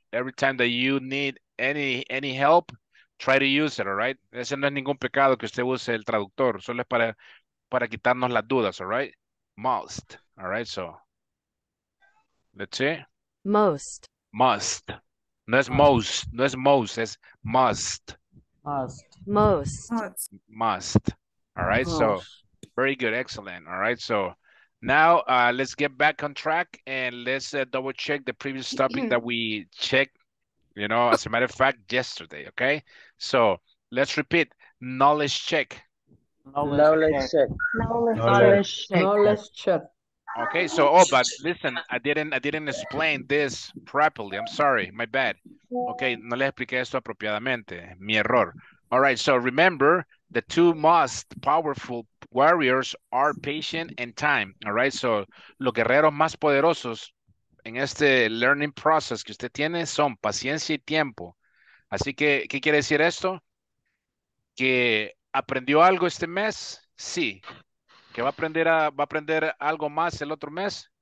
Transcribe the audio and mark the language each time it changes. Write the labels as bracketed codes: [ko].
[en] Every time that you need any help, try to use it, all right? [es] Ese no es ningún pecado que usted use el traductor. Solo es para quitarnos las dudas, all right? Must, all right? [en] So, let's see. Most. [es] Must. No es most. No es most. Es must. [en] Must. Most. Must. All right. Most. So, very good. Excellent. All right. So, Now, let's get back on track and let's double check the previous topic that we checked, you know, as a matter of fact, yesterday, okay? So, let's repeat, knowledge check. Knowledge check. Okay, so, but listen, I didn't explain this properly. I'm sorry, my bad. Okay, [es] no le expliqué esto apropiadamente, mi error. [en] All right, so remember, the two most powerful warriors are patience and time. [es] All right, so los guerreros más poderosos en este learning process que usted tiene son paciencia y tiempo. Así que, ¿qué quiere decir esto? ¿Que aprendió algo este mes? Sí. ¿Que va a aprender algo más el otro mes?